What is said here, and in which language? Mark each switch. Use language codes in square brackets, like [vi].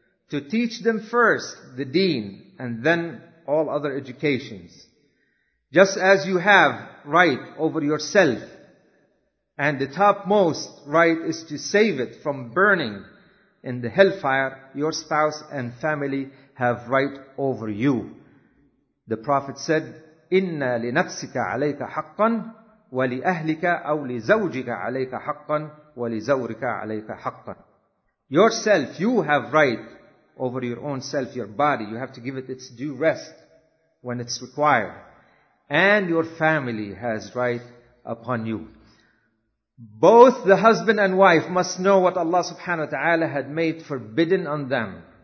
[en] To teach them first the deen and then all other educations. Just as you have right over yourself, and the topmost right is to save it from burning in the hellfire, your spouse and family have right over you. The Prophet said, [ar] إِنَّا لِنَفْسِكَ عَلَيْكَ حَقًّا [en] وَلِأَهْلِكَ أَوْ لِزَوْجِكَ عَلَيْكَ حَقًّا وَلِزَوْرِكَ عَلَيْكَ حَقًّا. Yourself, you have right over your own self, your body. You have to give it its due rest when it's required. And your family has right upon you. Both the husband and wife must know what Allah subhanahu wa ta'ala had made forbidden on them.